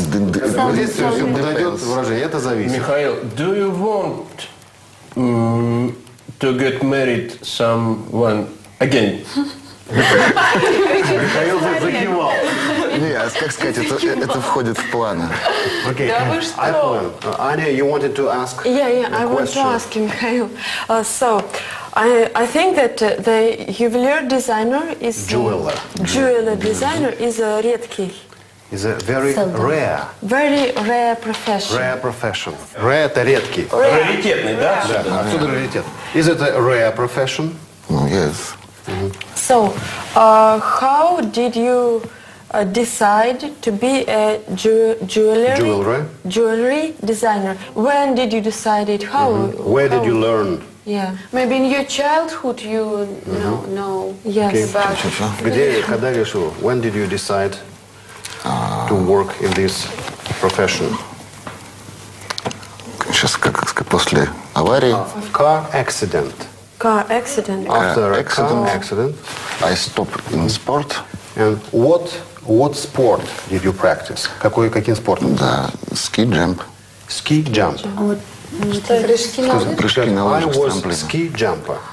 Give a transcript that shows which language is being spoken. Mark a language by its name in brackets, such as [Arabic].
[English] Михаил, do you want to get married someone again? [Russian] Михаил загивал. Нет, как сказать, это входит в планы. [English] Окей, I plan. Аня, you wanted to ask? Yeah, I want to ask you, Михаил. I think that the juvelier designer is... Jeweler designer is a редкий. Is a very Very rare profession. [Russian] Rare – это редкий. Раритетный, да? Да, отсюда раритет. [English] Is it a rare profession? Yes. So, how did you decide to be a jewelry designer? When did you decide it? How? Mm-hmm. Where did you learn? Yeah. Maybe in your childhood you know. Yes. Okay. [Russian] Где, когда решил? [English] When did you decide to work in this profession? [Russian] Сейчас как после аварии. [English] Car accident. After accident. I stopped in sport. And what sport did you practice? [Russian] Каким спортом? [English] Да, ski jump. Ski jump.